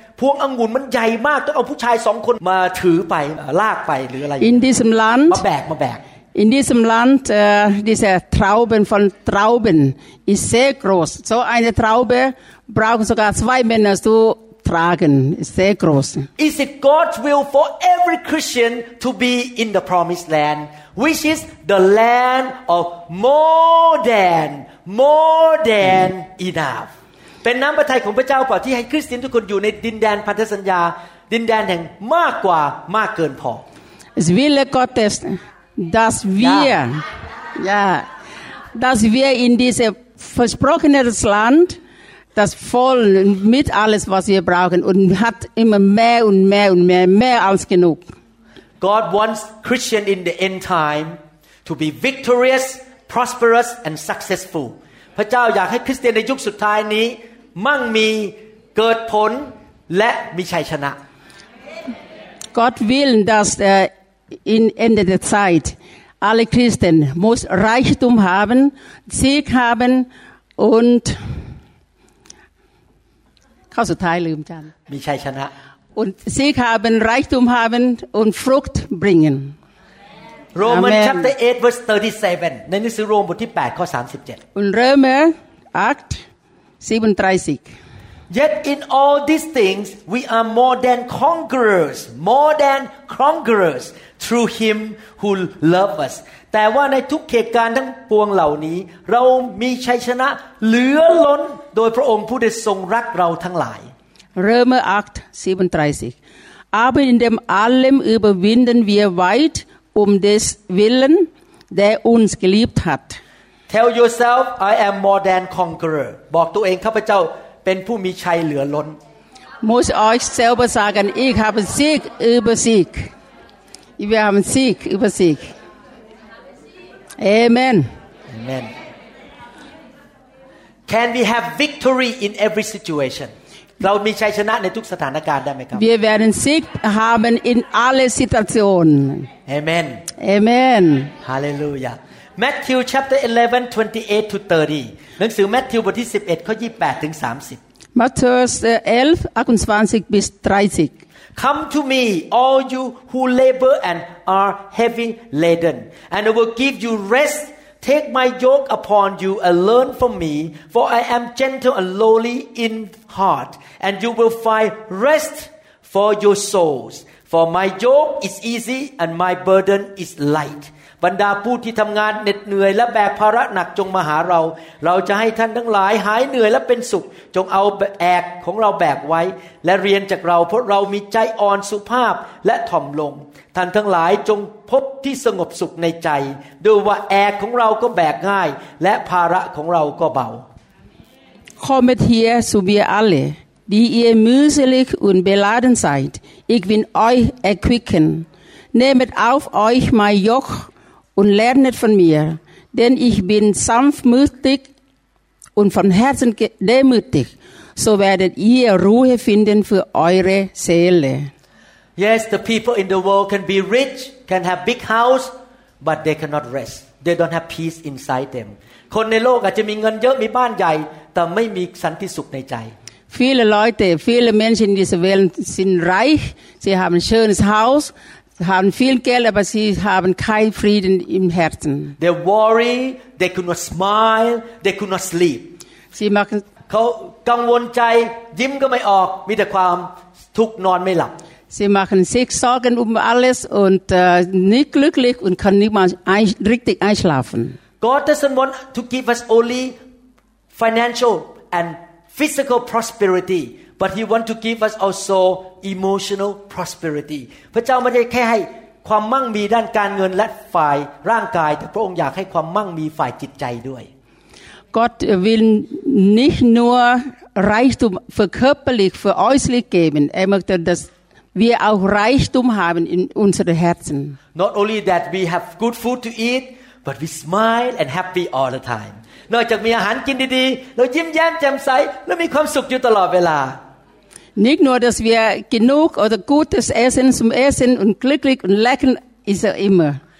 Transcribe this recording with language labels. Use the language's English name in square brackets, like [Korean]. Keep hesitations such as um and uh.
[Thai] พวงองุ่นมันใหญ่มากต้องเอาผู้ชายสองคนมาถือไปเอ่อลากไปหรืออะไร [German] In diesem [Thai] มา [German] Land, [Thai] แบกมาแบก [German] in diesem Land, äh, diese Trauben von Trauben ist sehr groß. So eine Traube brauchen sogar zwei Männer zu tragen. Ist sehr groß. [English] Is it God's will for every Christian to be in the promised land, which is the land of more than, more than enough? [Thai] เป็นน้ำพระทัยของพระเจ้าเปล่าที่ให้คริสเตียนทุกคนอยู่ในดินแดนพันธสัญญา ดินแดนแห่งมากกว่ามากเกินพอ [German] Es Wille Gottes, dass wir, Ja. ja. dass wir in dieses versprochenes Land, das voll mit alles, was wir brauchen und hat immer mehr und mehr und mehr, mehr als genug. [English] God wants Christian in the end time to be victorious, prosperous and successful [Thai] พระเจ้าอยากให้คริสเตียนในยุคสุดท้ายนี้ มั่งมีเกิดผลและมีชัยชนะ [German] Gott will, dass äh, in Ende der Zeit alle Christen muss Reichtum haben, Sieg haben und Kausutai-Lümchan. [Thai] มีชัยชนะ [German] und Sieg haben, Reichtum haben und Frucht bringen. [English] Roman Amen. chapter 8 verse 37 [Thai] ในหนังสือโรมบทที่ 8 ข้อ [German] Und Römer 8, 37. [English] 37 Yet in all these things we are more than conquerors more than conquerors through him who loved us [Thai] แต่ว่าในทุกเหตุการณ์ทั้งปวงเหล่านี้ เรามีชัยชนะเหลือล้นโดยพระองค์ผู้ได้ทรงรักเราทั้งหลาย [German] Römer 8, 37. Aber in dem allem überwinden wir weit um des Willen, der uns geliebt hat. [English] Tell yourself I am more than conqueror [Thai] บอกตัวเองข้าพเจ้าเป็นผู้มีชัยเหลือล้น [German] Muss euch selber sagen, ich habe Sieg über Sieg. Wir haben Sieg über Sieg. Amen. Amen. [English] Can we have victory in every situation? [Thai] เรามีชัยชนะในทุกสถานการณ์ได้ไหมครับ [German] Wir werden Sieg haben in alle Situationen. Amen. Amen. Hallelujah. [English] Matthew chapter 11 28 to 30 [Thai] หนังสือแมทธิวบทที่ 11 ข้อ 28 ถึง [German] Matthäus äh, 11, 28 bis 30. [English] 30 Come to me all you who labor and are heavy laden and I will give you rest Take my yoke upon you and learn from me for I am gentle and lowly in heart and you will find rest for your souls for my yoke is easy and my burden is light [Thai] บรรดาผู้ที่ทำงานเหน็ดเหนื่อยและแบกภาระหนักจงมาหาเรา เราจะให้ท่านทั้งหลายหายเหนื่อยและเป็นสุข จงเอาแอกของเราแบกไว้ และเรียนจากเราเพราะเรามีใจอ่อนสุภาพและถ่อมลง ท่านทั้งหลายจงพบที่สงบสุขในใจด้วยว่าแอกของเราก็แบกง่าย และภาระของเราก็เบา [German] Kommet hier zu mir alle, die ihr mühselig und beladen seid. Ich will euch erquicken. Nehmet auf euch mein Joch und lernet von mir, denn ich bin sanftmütig und von Herzen ge- demütig. So werdet ihr Ruhe finden für eure Seele. [English] Yes, the people in the world can be rich, can have big house, but they cannot rest. They don't have peace inside them. [Thai] คนในโลกอาจจะมีเงินเยอะมีบ้านใหญ่ แต่ไม่มีสันติสุขในใจ [German] Viele Leute, viele Menschen in dieser Welt sind reich, sie haben ein schönes Haus, haben viel Geld, aber sie haben keinen Frieden im Herzen. [English] They worry, they could not smile, they could not sleep. [German] Sie machen, [Thai] เขากังวลใจยิ้มก็ไม่ออก มีแต่ความทุกข์นอนไม่หลับ [German] sie machen sich Sorgen um alles und äh, nicht glücklich und können nicht mal ein, richtig einschlafen. [English] God doesn't want to give us only financial and physical prosperity but He want to give us also emotional prosperity [Thai] พระเจ้าไม่ได้แค่ให้ความมั่งมีด้านการเงินและฝ่ายร่างกาย แต่พระองค์อยากให้ความมั่งมีฝ่ายจิตใจด้วย [German] Gott will nicht nur Reichtum für körperlich, für äußerlich geben, er möchte, dass wir auch Reichtum haben in unseren Herzen. [English] Not only that we have good food to eat, but we smile and happy all the time. [Thai] นอกจากมีอาหารกินดีๆ เรายิ้มแย้มแจ่มใส และมีความสุขอยู่ตลอดเวลา [German] Nicht nur, dass wir genug oder gutes Essen zum Essen und glücklich und lecken ist er immer.